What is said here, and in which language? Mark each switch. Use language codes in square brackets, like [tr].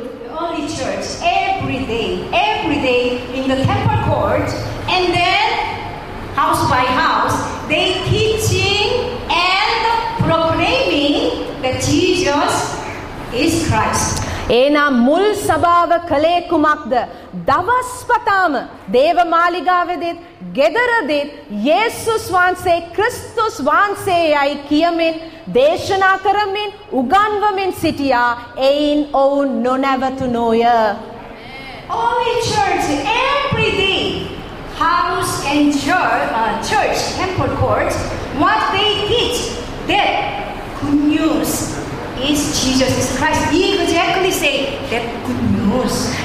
[en] Early church every day in the temple court and then house by house they teaching and proclaiming that Jesus is Christ. [si] ඒනා මුල් සභාව කලේ කුමක්ද දවස්පතාම දේව මාලිගාවේදීත් ගෙදරදීත් යේසුස් වහන්සේ ක්‍රිස්තුස් වහන්සේයි කියමින් දේශනා කරමින් උගන්වමින් සිටියා එයින් ඔවුන් නොනැවතුනෝය [en] Only church every day house and church temple courts what they teach that good news is Jesus Christ exactly say that good news